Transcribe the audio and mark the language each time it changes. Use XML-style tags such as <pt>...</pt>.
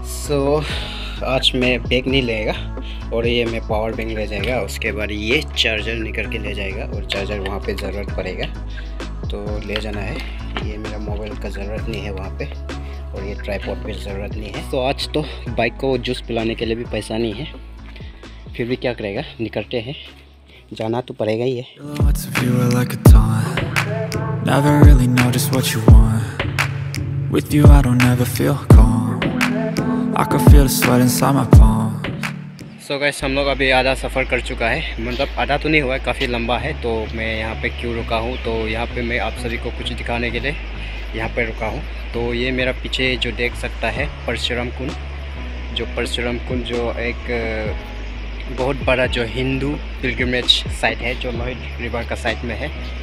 <hi>सो आज मैं बैग नहीं लेगा और ये मैं पावर बैंक ले जाएगा, उसके बाद ये चार्जर निकल के ले जाएगा और चार्जर वहाँ पर ज़रूरत पड़ेगा तो ले जाना है। ये मेरा मोबाइल का ज़रूरत नहीं है वहाँ पर और ये ट्राईपॉड पे ज़रूरत नहीं है। तो आज तो बाइक को जूस पिलाने के लिए भी पैसा नहीं है, फिर भी क्या करेगा, निकलते हैं, जाना तो पड़ेगा ही है।</hi> <en>What's a viewer like a taunt? Never really know just what you want. With you I don't ever feel calm. I can feel the sweat inside my palm.</en> <hi>So guys हम लोग अभी आधा सफ़र कर चुका है, मतलब आधा तो नहीं हुआ है, काफ़ी लंबा है। तो मैं यहाँ पे क्यों रुका हूँ, तो यहाँ पे मैं आप सभी को कुछ दिखाने के लिए यहाँ पे रुका हूँ। तो ये मेरा पीछे जो देख सकता है परशुराम कुंड जो एक बहुत बड़ा जो हिंदू पिलग्रिमेज साइट है जो लॉयड रिवर का साइट में है।</hi>